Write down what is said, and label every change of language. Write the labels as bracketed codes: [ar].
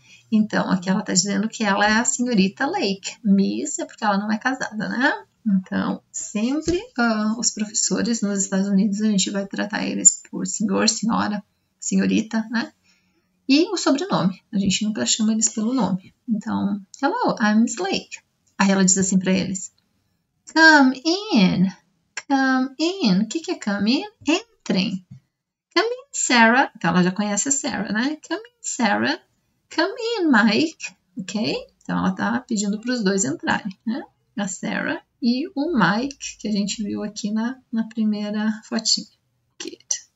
[pt] Então, aqui ela está dizendo que ela é a senhorita Lake. Miss é porque ela não é casada, né? Então, sempre os professores nos Estados Unidos, a gente vai tratar eles por senhor, senhora, senhorita, né? E o sobrenome. A gente nunca chama eles pelo nome. Então, [en] hello, I'm Miss Lake. [pt] Aí ela diz assim para eles: [en] Come in. Come in. [pt] O que é [en] come in? [pt] Entrem. [en] Come in, Sarah. [pt] Então, ela já conhece a Sarah, né? [en] Come in, Sarah. Come in, Mike. [pt] Ok? Então, ela tá pedindo para os dois entrarem, né? A Sarah e o Mike, que a gente viu aqui na primeira fotinha. [en] Good.